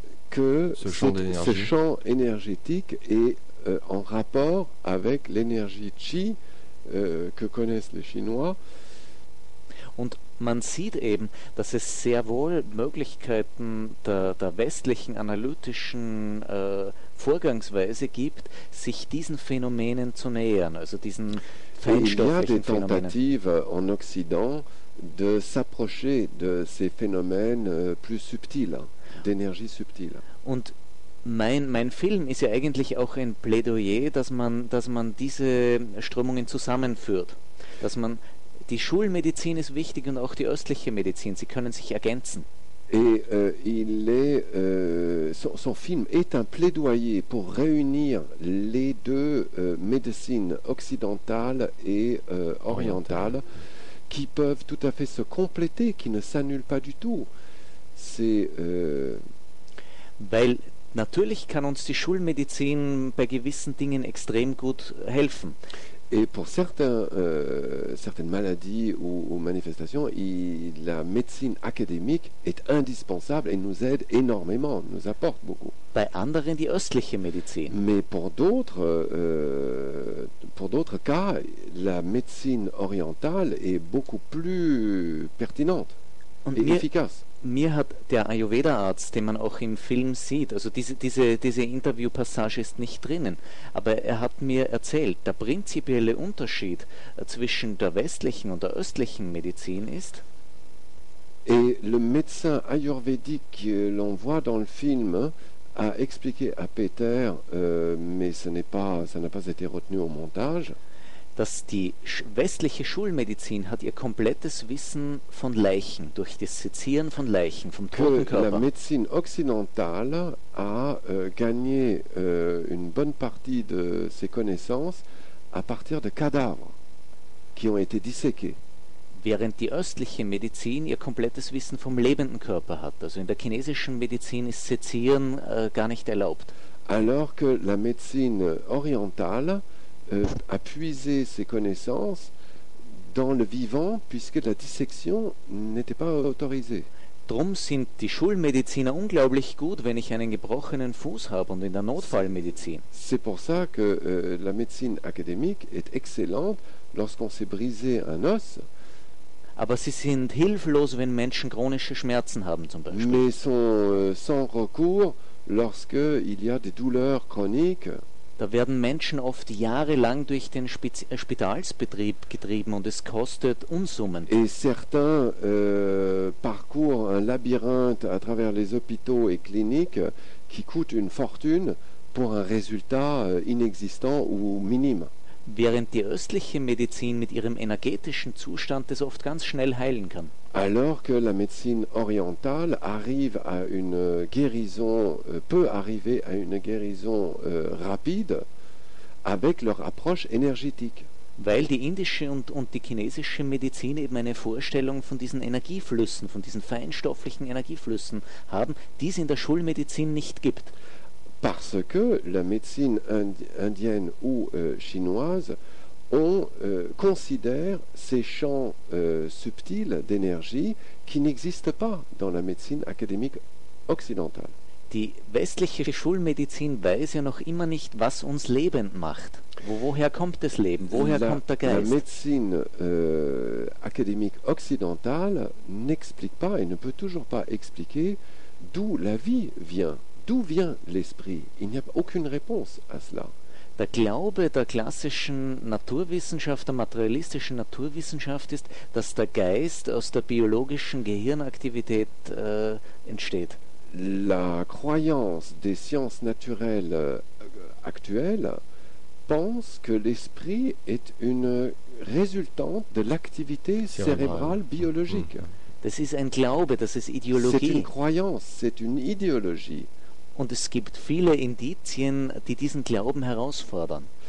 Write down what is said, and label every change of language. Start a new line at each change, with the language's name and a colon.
French: que ce champ énergétique est en rapport avec l'énergie Qi que connaissent les Chinois.
German: Und man sieht eben, dass es sehr wohl Möglichkeiten der westlichen analytischen Vorgangsweise gibt, sich diesen Phänomenen zu nähern, also diesen feinstofflichen Phänomenen.
French: Il y a des tentatives en Occident de s'approcher de ces phénomènes plus subtils, d'énergie subtile.
German: Und mein Film ist ja eigentlich auch ein Plädoyer, dass man diese Strömungen zusammenführt, dass man die Schulmedizin ist wichtig und auch die östliche Medizin, sie können sich ergänzen.
French: Et il est son film est un plaidoyer pour réunir les deux médecines occidentales et orientales qui peuvent tout à fait se compléter, qui ne s'annulent pas du tout. C'est
German: weil natürlich kann uns die Schulmedizin bei gewissen Dingen extrem gut helfen.
French: Et pour certaines maladies ou manifestations, la médecine académique est indispensable et nous aide énormément, nous apporte beaucoup.
German: Bei anderen die östliche Medizin.
French: Mais pour d'autres cas, la médecine orientale est beaucoup plus pertinente et efficace.
German: Mir hat der Ayurveda-Arzt, den man auch im Film sieht, also diese Interview-Passage ist nicht drinnen, aber er hat mir erzählt, der prinzipielle Unterschied zwischen der westlichen und der östlichen Medizin ist.
French: Et le médecin ayurvédique que l'on voit dans le film a expliqué à Peter, mais ça n'a pas été retenu au montage.
German: Dass die westliche Schulmedizin hat ihr komplettes Wissen von Leichen, durch das Sezieren von Leichen, vom toten Körper.
French: La médecine occidentale a gagné une bonne partie de ses connaissances à partir de cadavres qui ont été disséqués.
German: Während die östliche Medizin ihr komplettes Wissen vom lebenden Körper hat. Also in der chinesischen Medizin ist Sezieren gar nicht erlaubt.
French: Alors que la médecine orientale a puisé ses connaissances dans le vivant puisque la dissection n'était pas autorisée.
German: Drum sind die Schulmediziner unglaublich gut, wenn ich einen gebrochenen Fuß habe und in der Notfallmedizin.
French: C'est pour ça que la médecine académique est excellente lorsqu'on s'est brisé un os.
German: Aber sie sind hilflos, wenn Menschen chronische Schmerzen haben zum Beispiel.
French: Mais sont sans recours lorsque il y a des douleurs chroniques.
German: Da werden Menschen oft jahrelang durch den Spitalsbetrieb getrieben und es kostet Unsummen.
French: Et certains parcourent un labyrinthe à travers les hôpitaux et cliniques qui coûte une fortune pour un résultat inexistant ou minime.
German: Während die östliche Medizin mit ihrem energetischen Zustand das oft ganz schnell heilen kann.
French: Alors que la médecine orientale arrive à une guérison, peut arriver à une guérison rapide avec leur approche énergétique.
German: Weil die indische und die chinesische Medizin eben eine Vorstellung von diesen Energieflüssen, von diesen feinstofflichen Energieflüssen haben, die es in der Schulmedizin nicht gibt.
French: Parce que la médecine indienne ou chinoise considère ces champs subtils d'énergie qui n'existent pas dans la médecine académique occidentale.
German: Die westliche Schulmedizin weiß ja noch immer nicht, was uns lebend macht. Woher kommt das Leben? Woher kommt der Geist?
French: La médecine académique occidentale n'explique pas et ne peut toujours pas expliquer d'où la vie vient. D'où vient l'esprit? Il n'y a aucune réponse à cela.
German: Der Glaube der klassischen Naturwissenschaft, der materialistischen Naturwissenschaft ist, dass der Geist aus der biologischen Gehirnaktivität entsteht.
French: La croyance des sciences naturelles actuelles pense que l'esprit est une résultante de l'activité cérébrale biologique.
German: Das ist ein Glaube, das ist Ideologie.
French: C'est une croyance, c'est une idéologie.
German: Und es gibt viele Indizien, die diesen Glauben herausfordern.